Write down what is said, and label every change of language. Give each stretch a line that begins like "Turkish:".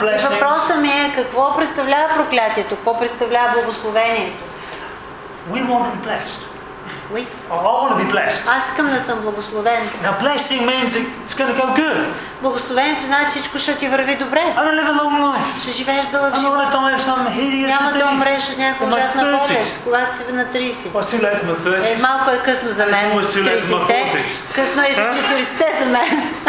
Bulgarian: Въпросът ми е, какво представлява проклятието? Какво представлява благословението?
English: We want to be blessed. We? I want to be blessed.
Bulgarian: Аз искам да съм благословен.
English: Now blessing means it's going to go good.
Bulgarian: Благословението значи всичко ще ти върви добре. Ще живееш дълъг живот. Няма да умреш от някаква ужасна болест, когато си на 30. Е, малко е късно за мен. 30-те. Късно е за 40-те за мен.